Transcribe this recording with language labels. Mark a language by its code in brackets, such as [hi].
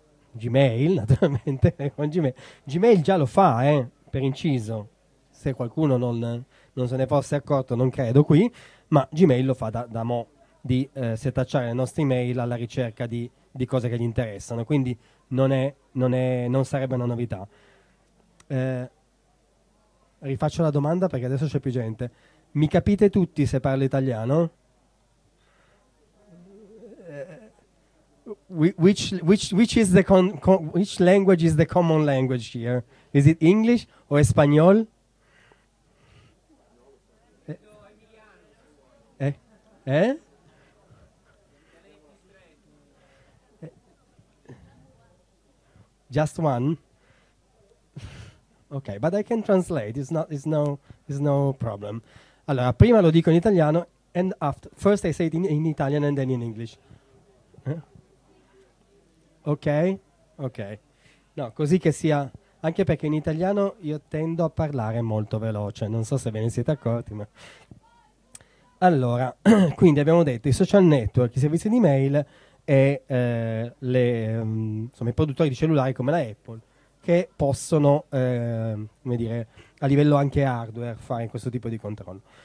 [it] Gmail, naturalmente, con Gmail già lo fa, per inciso, se qualcuno non se ne fosse accorto, non credo qui, ma Gmail lo fa da mo' di setacciare le nostre email alla ricerca di cose che gli interessano, quindi non sarebbe una novità. Rifaccio la domanda perché adesso c'è più gente. Mi capite tutti se parlo italiano? [en] Which language is the common language here? Is it English [es] o Espanol? [en] Just one. Okay, but I can translate. It's no problem. [it] Allora, prima lo dico in italiano [en] and after. First I say it in Italian and then in English. Ok. [it] No, così che sia, anche perché in italiano io tendo a parlare molto veloce, non so se ve ne siete accorti, ma allora, quindi abbiamo detto i social network, i servizi di mail e i produttori di cellulari come la Apple, che possono, come dire, a livello anche hardware fare questo tipo di controllo.